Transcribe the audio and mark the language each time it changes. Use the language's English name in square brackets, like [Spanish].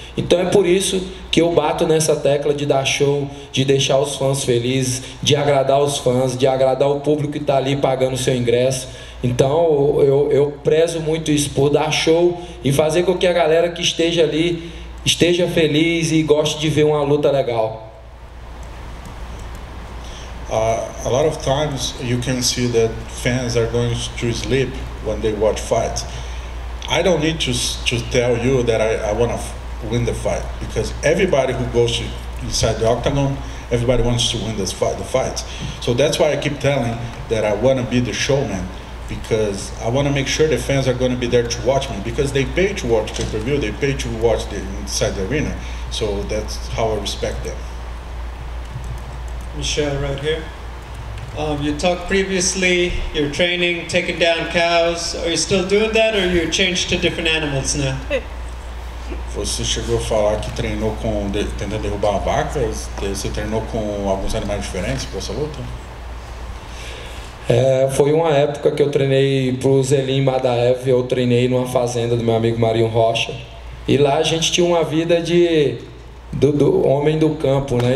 [Portuguese] Então é por isso que eu bato nessa tecla de dar show, de deixar os fãs felizes, de agradar os fãs, de agradar o público que está ali pagando seu ingresso. Então eu prezo muito isso, por dar show e fazer com que a galera que esteja ali esteja feliz e goste de ver uma luta legal. [English] A lot of times you can see that fans are going to sleep when they watch fights. I don't need to tell you that I want to win the fight, because everybody who goes inside the octagon, everybody wants to win this fight, the fights. So that's why I keep telling that I want to be the showman, because I want to make sure the fans are going to be there to watch me, because they pay to watch pay-per-view, they pay to watch the inside the arena. So that's how I respect them. Michelle, right here. You talked previously, you're training, taking down cows. Are you still doing that, or you changed to different animals now? [Portuguese] Você chegou a falar que treinou com tentando derrubar vacas. Você treinou com alguns animais diferentes para essa luta? Foi uma época que eu treinei para o Zelim Madaev. Eu treinei numa fazenda do meu amigo Marinho Rocha. E lá a gente tinha uma vida de do homem do campo, né?